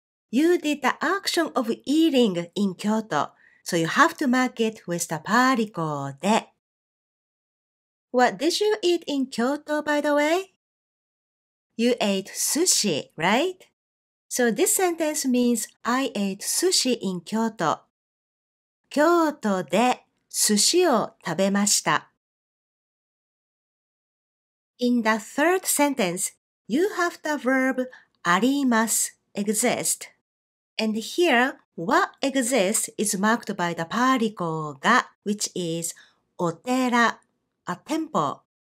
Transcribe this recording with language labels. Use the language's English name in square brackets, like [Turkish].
[English] You did the action of eating in Kyoto, so you have to mark it with the particle で. What did you eat in Kyoto, by the way? You ate sushi, right? So this sentence means I ate sushi in Kyoto. [Japanese] 京都で寿司を食べました. [English] In the third sentence, you have the verb あります, exist. And here, what exists is marked by the particle が, which is お寺. A temple.